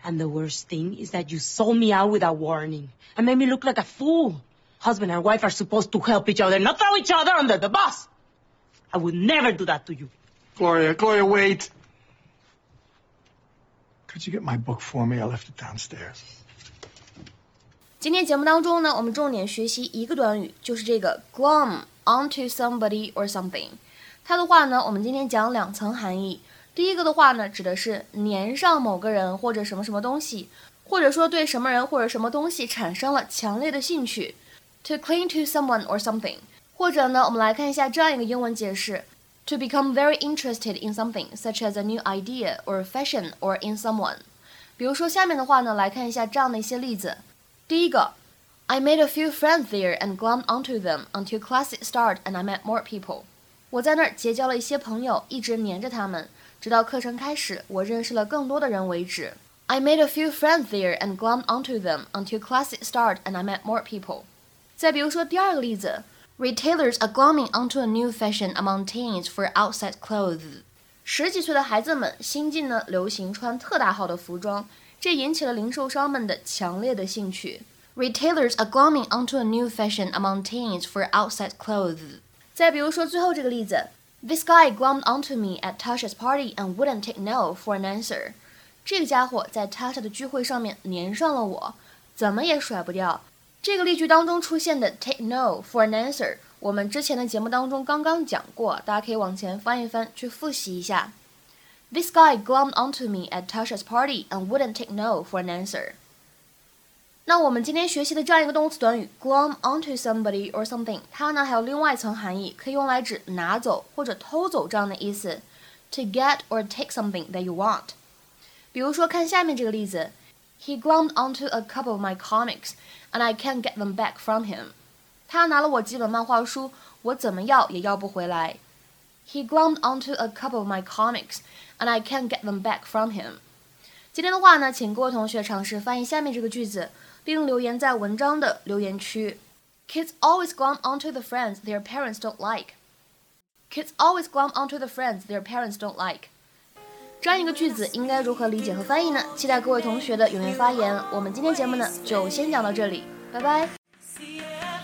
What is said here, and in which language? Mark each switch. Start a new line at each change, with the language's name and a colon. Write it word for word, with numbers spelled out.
English: And the worst thing is that you sold me out without warning and made me look like a fool. Husband and wife are supposed to help each other, not throw each other under the bus. I would never do that to you. Gloria, Gloria, wait. Could you get my book for me? I left it downstairs.
Chinese: 今天节目当中呢，我们重点学习一个短语，就是这个
English: glom onto somebody or something。
Chinese: 它的话呢，我们今天讲两层含义。第一个的话呢，指的是粘上某个人或者什么什么东西，或者说对什么人或者什么东西产生了强烈的兴趣。
English: To cling to someone or something，
Chinese: 或者呢，我们来看一下这样一个英文解释
English: ：To become very interested in something, such as a new idea or fashion or in someone。
Chinese: 比如说下面的话呢，来看一下这样的一些例子。第一个
English: ：I made a few friends there and glommed onto them until classes started and I met more people。
Chinese: 我在那儿结交了一些朋友，一直黏着他们，直到课程开始，我认识了更多的人为止。
English: I made a few friends there and glommed onto them until classes started and I met more people.
Chinese: 再比如说第二个例子
English: ，Retailers are glomming onto a new fashion among teens for outside clothes.
Chinese: 十几岁的孩子们新近呢流行穿特大号的服装，这引起了零售商们的强烈的兴趣。
English: Retailers are glomming onto a new fashion among teens for outside clothes.
Chinese: 再比如说最后这个例子
English: ，This guy glommed onto me at Tasha's party and wouldn't take no for an answer。
Chinese: 这个家伙在 Tasha 的聚会上面粘上了我，怎么也甩不掉。这个例句当中出现的
English: take no for an answer，
Chinese: 我们之前的节目当中刚刚讲过，大家可以往前翻一翻去复习一下。
English: This guy glommed onto me at Tasha's party and wouldn't take no for an answer。
Chinese: 那我们今天学习的这样一个动词短语
English: glom onto somebody or something，
Chinese: 它呢还有另外一层含义，可以用来指拿走或者偷走这样的意思。
English: To get or take something that you want。
Chinese: 比如说看下面这个例子。
English: He glommed onto a couple of my comics, and I can't get them back from him.
Chinese: 他拿了我几本漫画书，我怎么要也要不回来。
English: He glommed onto a couple of my comics, and I can't get them back from him.
Chinese: 今天的话呢，请各位同学尝试翻译下面这个句子，并留言在文章的留言区。
English: Kids always glom onto the friends their parents don't like. Kids always glom onto the friends their parents don't like.
Chinese: 这样一个句子应该如何理解和翻译呢？期待各位同学的踊跃发言。我们今天节目呢，就先讲到这里，拜拜。